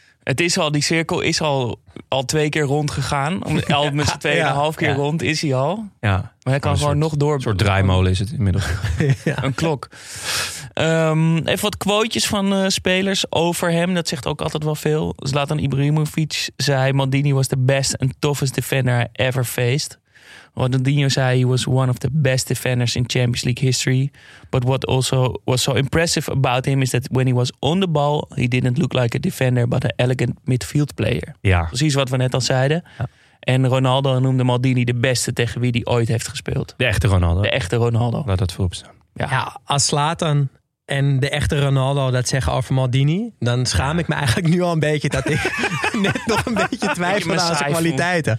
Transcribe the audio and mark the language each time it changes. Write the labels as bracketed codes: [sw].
[nl] Het is al, die cirkel is al twee keer rond gegaan. Al met z'n tweeën een half keer rond is hij al. Ja. Maar hij kan gewoon nog door. Een soort draaimolen is het inmiddels. Een klok. Even wat quotejes van spelers over hem. Dat zegt ook altijd wel veel. [en] Zlatan Ibrahimovic [nl] zei: [en] Maldini was the best and toughest defender I ever faced. Ronaldinho [nl] zei: [en] he was one of the best defenders in Champions League history. But what also was so impressive about him is that when he was on the ball, he didn't look like a defender, but an elegant midfield player. [nl] Ja. Precies wat we net al zeiden. Ja. En Ronaldo noemde Maldini de beste tegen wie hij ooit heeft gespeeld. De echte Ronaldo. De echte Ronaldo. Laat dat voorop staan. Ja. Ja, als Zlatan en de echte Ronaldo dat zeggen over Maldini, dan schaam ik me eigenlijk nu al een beetje dat ik net nog een beetje twijfel aan zijn kwaliteiten.